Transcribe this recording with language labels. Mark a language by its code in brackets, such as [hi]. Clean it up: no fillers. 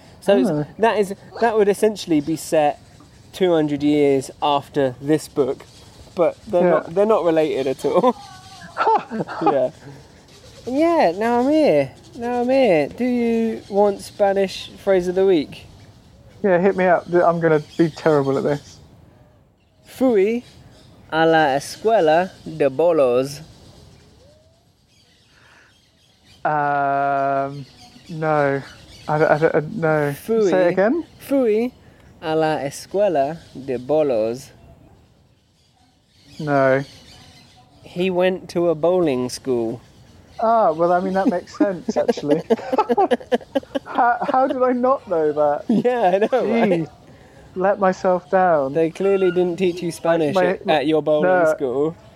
[en] That would essentially be set 200 years after this book, but they're not related at all. Now I'm here. Do you want Spanish phrase of the week? Yeah, hit me up. I'm going to be terrible at this. [es] Fui a la escuela de bolos. [en] No. I don't, no. Fui. Say it again. [es] Fui a la escuela de bolos. [en] No. He went to a bowling school. Ah, well, I mean, that makes sense, actually. how did I not know that? Yeah, I know, right? Jeez, let myself down. They clearly didn't teach you Spanish at your bowling school.